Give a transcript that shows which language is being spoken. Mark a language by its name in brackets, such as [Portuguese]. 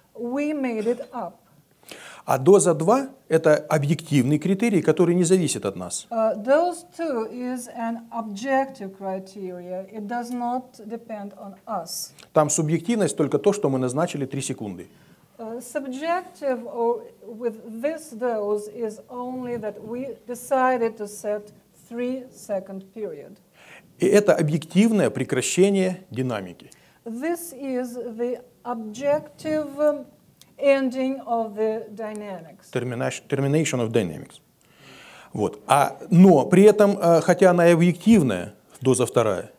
[English] We made it up. [Russian] А доза 2 — это объективный критерий, который не зависит от нас. [English] Dose 2 is an objective criteria. It does not depend on us. [Russian] Там субъективность только то, что мы назначили 3 секунды. [English] Subjective or with this dose is only that we decided to set 3-second period. [Russian] И это объективное прекращение динамики. [English] This is the objective ending of the dynamics. Termination of dynamics. Вот. [Russian] Но при этом, хотя она и объективная, доза вторая.